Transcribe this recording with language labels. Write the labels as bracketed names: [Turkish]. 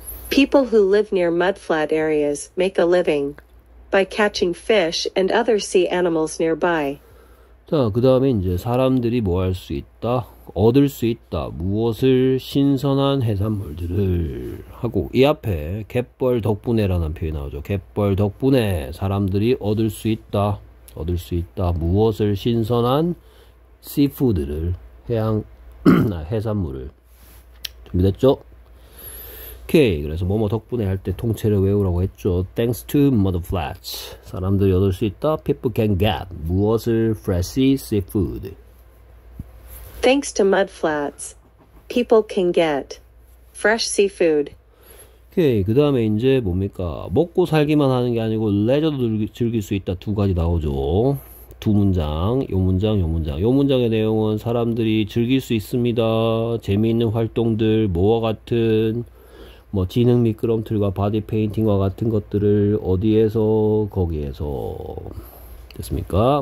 [English] People who live near mudflat areas make a living by catching fish and other sea animals nearby. [Korean] 자, 그다음에 이제 사람들이 뭐할수 있다? 얻을 수 있다. 무엇을? 신선한 해산물들을 하고 이 앞에 갯벌 덕분에라는 표현이 나오죠. 갯벌 덕분에 사람들이 얻을 수 있다. 얻을 수 있다. 무엇을? 신선한 씨푸드를 해양 해산물을 준비됐죠? 오케이. 그래서 뭐뭐 덕분에 할때 통째로 외우라고 했죠. [English] Thanks to mud flats. [Korean] 사람들이 얻을 수 있다. [English] People can get [Korean] 무엇을? [English] Fresh seafood. Thanks to mudflats, people can get fresh seafood. [Korean] 오케이. 그 다음에 이제 뭡니까? 먹고 살기만 하는 게 아니고 레저도 즐길 수 있다. 두 가지 나오죠. 두 문장, 요 문장, 요 문장. 요 문장의 내용은 사람들이 즐길 수 있습니다. 재미있는 활동들, 뭐와 같은, 뭐, 지능 미끄럼틀과 바디 페인팅과 같은 것들을 어디에서, 거기에서. 됐습니까?